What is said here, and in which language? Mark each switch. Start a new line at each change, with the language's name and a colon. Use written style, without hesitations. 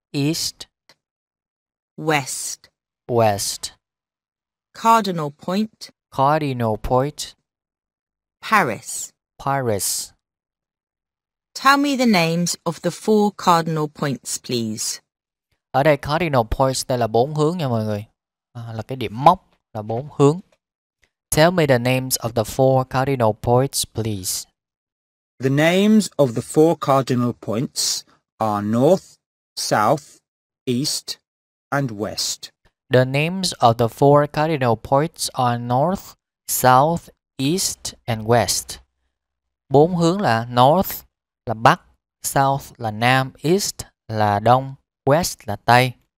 English: East. West. West. Cardinal point. Cardinal point. Paris. Paris. Tell me the names of the four cardinal points, please.
Vietnamese: Ở đây cardinal points, đây là bốn hướng nha mọi người. Là cái điểm móc, là bốn hướng.
English: Tell me the names of the four cardinal points, please. The names of the four cardinal points are north, south, east, and west. The names of the four cardinal points are north, south, east, and west.
Vietnamese: Bốn hướng là north là bắc, south là nam, east là đông, west là tây.